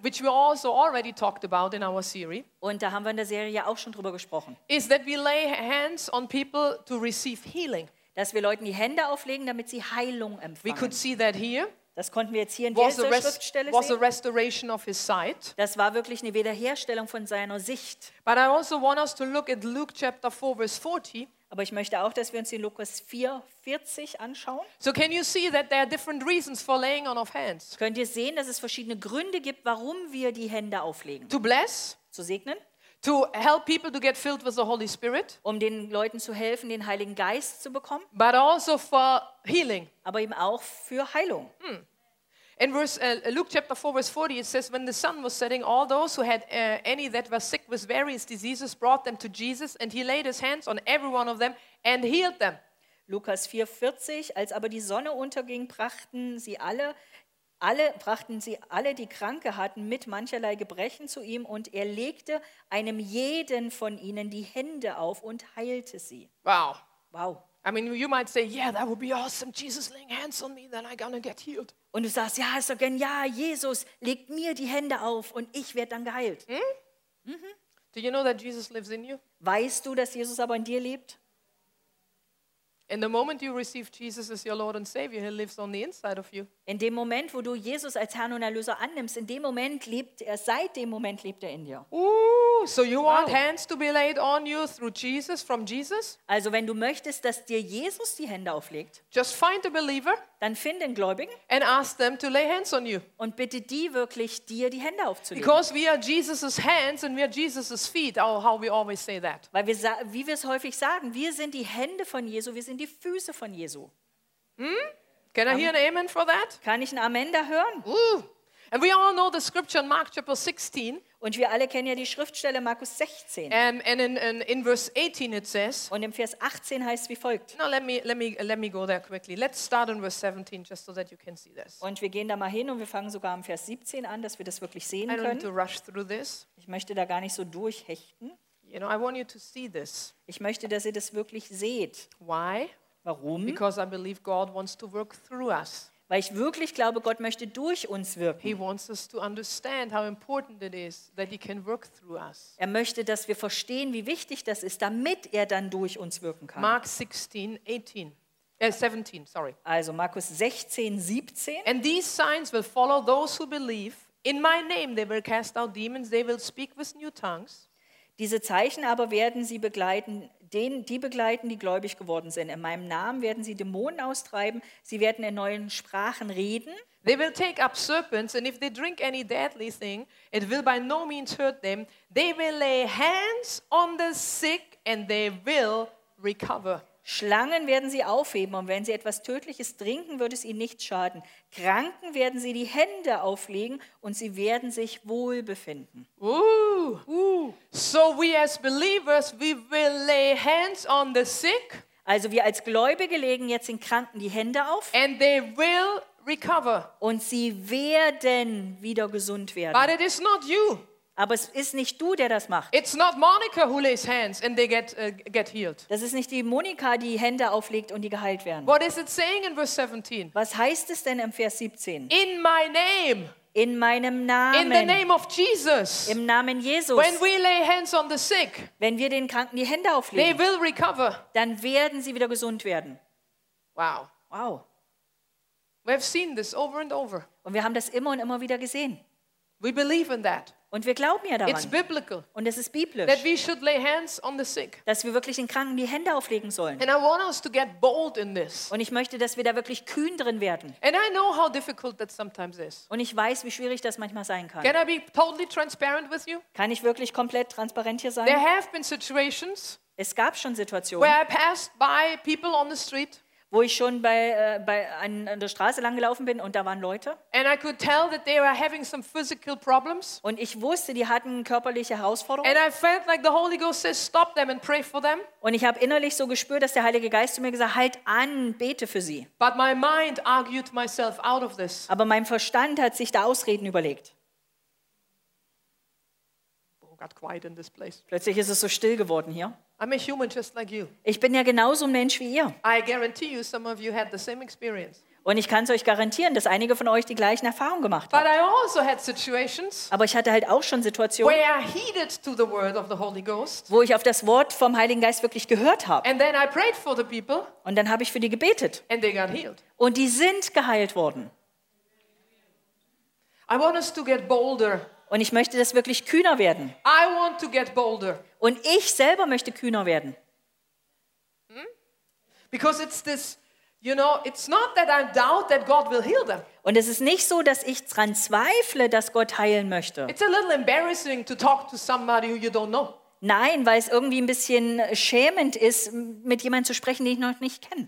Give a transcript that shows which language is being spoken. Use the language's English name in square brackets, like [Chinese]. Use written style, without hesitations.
[English] Which we also already talked about in our series. [German] Und da haben wir in der Serie ja auch schon drüber gesprochen. [English] Is that we lay hands on people to receive healing. [German] Dass wir Leuten die Hände auflegen, damit sie Heilung empfangen. [English] We could see that here. [German] Das konnten wir jetzt hier in dieser Schriftstelle sehen. [English] Was a restoration of his sight. [German] Das war wirklich eine Wiederherstellung von seiner Sicht. [English] But I also want us to look at Luke chapter 4 verse 40. [German] Aber ich möchte auch, dass wir uns in Lukas 4, 40 anschauen. [English] So can you see that there are different reasons for laying on of hands? [German] Könnt ihr sehen, dass es verschiedene Gründe gibt, warum wir die Hände auflegen? [English] To bless. [German] Zu segnen. [English] To help people to get filled with the Holy Spirit. [German] Um den Leuten zu helfen, den Heiligen Geist zu bekommen. [English] But also for healing. [German] Aber eben auch für Heilung. Hmm. [English] In Luke chapter 4 verse 40 it says, when the sun was setting, all those who had any that were sick with various diseases brought them to Jesus, and he laid his hands on every one of them and healed them. [German] Lukas 4, 40, als aber die Sonne unterging, brachten sie alle, die Kranke hatten, mit mancherlei Gebrechen zu ihm, und er legte einem jeden von ihnen die Hände auf und heilte sie. [English] Wow. [German] Wow. [English] I mean, you might say, yeah, that would be awesome. Jesus laying hands on me, then I'm gonna get healed. [German] Und du sagst, ja, ist doch genial. Jesus legt mir die Hände auf und ich werde dann geheilt. Hm? Mm-hmm. [English] Do you know that Jesus lives in you? [German] Weißt du, dass Jesus aber in dir lebt? [English] In the moment you receive Jesus as your Lord and Savior, he lives on the inside of you. [German] In dem Moment, wo du Jesus als Herrn und Erlöser annimmst, in dem Moment lebt er, seit dem Moment lebt er in dir. [English] So you want hands to be laid on you through Jesus, from Jesus? [German] Also wenn du möchtest, dass dir Jesus die Hände auflegt, [English] just find a believer, [German] dann find den Gläubigen, [English] and ask them to lay hands on you. [German] Und bitte die wirklich, dir die Hände aufzulegen. [English] Because we are Jesus's hands and we are Jesus's feet, or how we always say that. [German] Weil wir, wie wir es häufig sagen, wir sind die Hände von Jesu, wir sind die Füße von Jesu. [English] Hm? Can I hear an amen for that? [German] Kann ich ein Amen da hören? [English] And we all know the scripture in Mark chapter 16. [German] Und wir alle kennen ja die Schriftstelle Markus 16. [English] And in verse 18 it says. [German] Und im Vers 18 heißt wie folgt. [English] Now let me go there quickly. Let's start in verse 17 just so that you can see this. [German] Und wir gehen da mal hin und wir fangen sogar im Vers 17 an, dass wir das wirklich sehen können. [English] I don't need to rush through this. [German] Ich möchte da gar nicht so durchhechten. [English] You know, I want you to see this. [German] Ich möchte, dass ihr das wirklich seht. [English] Why? [German] Warum? [English] Because I believe God wants to work through us. [German] Weil ich wirklich glaube, Gott möchte durch uns wirken. [English] He wants us to understand how important it is that he can work through us. [German] Er möchte, dass wir verstehen, wie wichtig das ist, damit er dann durch uns wirken kann. [English] Mark 16, 17, sorry. [German] Also Markus 16, 17. [English] And these signs will follow those who believe. In my name they will cast out demons, they will speak with new tongues. [German] Diese Zeichen aber werden sie begleiten, die gläubig geworden sind. In meinem Namen werden sie Dämonen austreiben, sie werden in neuen Sprachen reden. [English] They will take up serpents, and if they drink any deadly thing, it will by no means hurt them. They will lay hands on the sick, and they will recover. [German] Schlangen werden sie aufheben, und wenn sie etwas Tödliches trinken, wird es ihnen nicht schaden. Kranken werden sie die Hände auflegen, und sie werden sich wohlbefinden. [English] So we as believers, we will lay hands on the sick. [German] Also wir als Gläubige legen jetzt den Kranken die Hände auf. [English] And they will recover. [German] Und sie werden wieder gesund werden. [English] But it is not you. [German] Aber es ist nicht du, der das macht. [English] It's not Monica who lays hands and they get healed. [German] Das ist nicht die Monika, die Hände auflegt und die geheilt werden. [English] What is it saying in verse 17? [German] Was heißt es denn im Vers 17? [English] In my name. [German] In meinem Namen. [English] In the name of Jesus. [German] Im Namen Jesus. [English] When we lay hands on the sick. [German] Wenn wir den Kranken die Hände auflegen. [English] They will recover. [German] Dann werden sie wieder gesund werden. [English] Wow. [German] Wow. [English] We have seen this over and over. [German] Und wir haben das immer und immer wieder gesehen. [English] We believe in that. [German] Und wir glauben ja daran. [English] It's biblical. [German] Und es ist biblisch. [English] That we should lay hands on the sick. [German] Dass wir wirklich den Kranken die Hände auflegen sollen. [English] And I want us to get bold in this. [German] Und ich möchte, dass wir da wirklich kühn drin werden. [English] And I know how difficult that sometimes is. [German] Und ich weiß, wie schwierig das manchmal sein kann. [English] Can I be totally transparent with you? [German] Kann ich wirklich komplett transparent hier sein? [English] There have been situations. [German] Es gab schon Situationen. [English] Where I passed by people on the street. [German] Wo ich schon an der Straße lang gelaufen bin und da waren Leute. [English] And I could tell that they were having some physical problems. [German] Und ich wusste, die hatten körperliche Herausforderungen. [English] And I felt like the Holy Ghost says, stop them and pray for them. [German] Und ich habe innerlich so gespürt, dass der Heilige Geist zu mir gesagt hat, halt an, bete für sie. [English] But my mind argued myself out of this. [German] Aber mein Verstand hat sich da Ausreden überlegt. [English] Oh, got quiet in this place. [German] Plötzlich ist es so still geworden hier. [English] I'm a human just like you. [German] Ich bin ja genauso ein Mensch wie ihr. [English] I guarantee you some of you had the same experience. [German] Und ich kann es euch garantieren, dass einige von euch die gleichen Erfahrungen gemacht haben. [English] But I also had situations. [German] Aber ich hatte halt auch schon Situationen, [English] where I heeded to the word of the Holy Ghost. [German] Wo ich auf das Wort vom Heiligen Geist wirklich gehört habe. [English] And then I prayed for the people. [German] Und dann habe ich für die gebetet. [English] And they got healed. [German] Und die sind geheilt worden. [English] I want us to get bolder. [German] Und ich möchte, dass wirklich kühner werden. [English] I want to get bolder. [German] Und ich selber möchte kühner werden. [English] Because it's this, you know, it's not that I doubt that God will heal them. [German] Und es ist nicht so, dass ich dran zweifle, dass Gott heilen möchte. [English] It's a little embarrassing to talk to somebody who you don't know. [German] Nein, weil es irgendwie ein bisschen schämend ist, mit jemandem zu sprechen, den ich noch nicht kenne.